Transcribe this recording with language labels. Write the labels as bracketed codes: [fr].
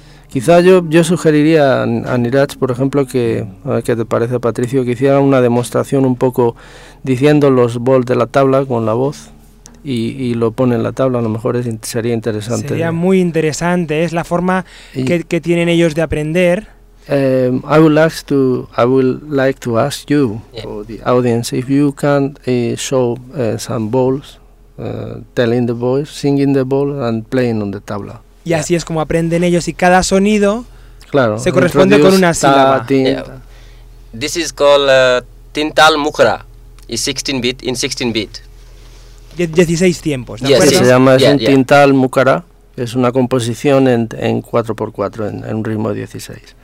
[es] Quizá yo sugeriría a Niraj, por ejemplo, que, a ver qué te parece, Patricio, que hiciera una demostración un poco diciendo los bols de la tabla con la voz y lo pone en la tabla, a lo mejor sería interesante. Sería muy interesante, es la forma que tienen ellos de aprender... [en] I would like to ask you, yeah, or the audience, if you can show some bowls, telling the voice, singing the bowl and playing on the tabla. [es] Y así es como aprenden ellos y cada sonido, claro, se corresponde con una sílaba. [en] This is called tintal mukhra, is 16 bit in 16 bit. [es] 16 tiempos. Yes, se llama, es un tintal mukhra. Es una composición en 4x4, en un ritmo de 16.